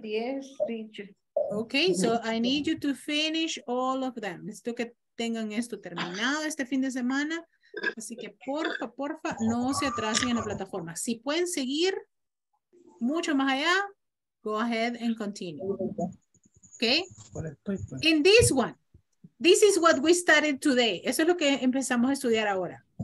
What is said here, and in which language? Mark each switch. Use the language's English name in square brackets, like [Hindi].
[English] 10. Ok, so I need you to finish all of them. [Spanish] Necesito que tengan esto terminado este fin de semana. Así que porfa, porfa, no se atrasen en la plataforma. Si pueden seguir mucho más allá, [English] go ahead and continue. Ok. In this one, this is what we started today. [Spanish] Eso es lo que empezamos a estudiar ahora.